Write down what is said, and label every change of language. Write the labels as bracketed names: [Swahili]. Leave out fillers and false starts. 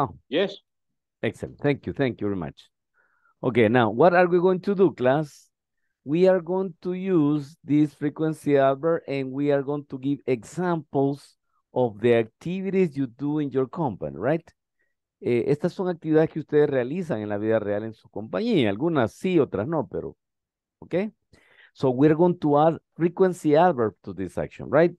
[English] Yes. Excellent. Thank you. Thank you very much. Okay, now, what are we going to do, class? we are going to use this frequency adverb and we are going to give examples of the activities you do in your company, right? [Spanish] Estas son actividades que ustedes realizan en la vida real en su compañía. Algunas sí, otras no, pero, okay? [English] So we're going to add frequency adverb to this action, right?